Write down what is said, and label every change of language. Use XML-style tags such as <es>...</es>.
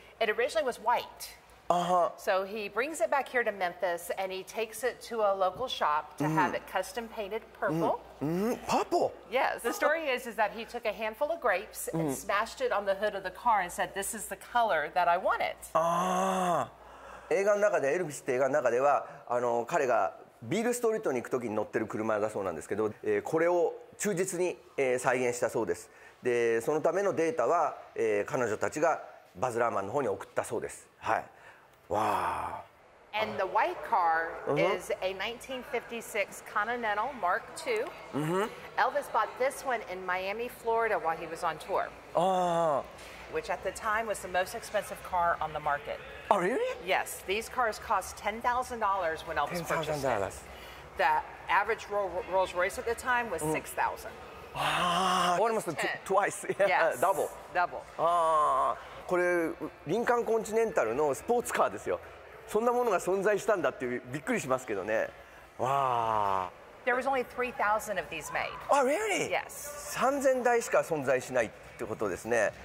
<en>It originally was white. Uh-huh. So he brings it back here to Memphis and he takes it to a local shop to mm-hmm. have it custom painted purple. Mm-hmm. Purple? Yes. The story is that he took a handful of grapes mm-hmm. and smashed it on the hood of the car and said, this is the color that I wanted. Ah.</en> <ja>映画の中で、エルヴィスって映画の中では、あの、彼がビールストリートに行く時に乗ってる車だそうなんですけど、これを忠実に、再現したそうです。で、そのためのデータは、彼女たちがバズラーマンの方に送ったそうです。はい。わあ。</ja> <en>And the white car is a 1956 Continental Mark II. Mm-hmm. Elvis bought this one in Miami, Florida while he was on tour. Ah. Which at the time was the most expensive car on the market. Oh, really? Yes. These cars cost $10,000 when Elvis purchased it. $10,000. The average Rolls-Royce at the time was $6,000. Ah. Almost twice. Yes. Double. Double. Ah.</en> <ja>これリンカンコンチネンタルのスポーツカーですよ。そんなものが存在したんだってびっくりしますけどね。わあ。</ja> <en>There was only 3,000 of these made. Oh, really? Yes.</en> <ja>3,000 台しか存在しないってことですね。</ja>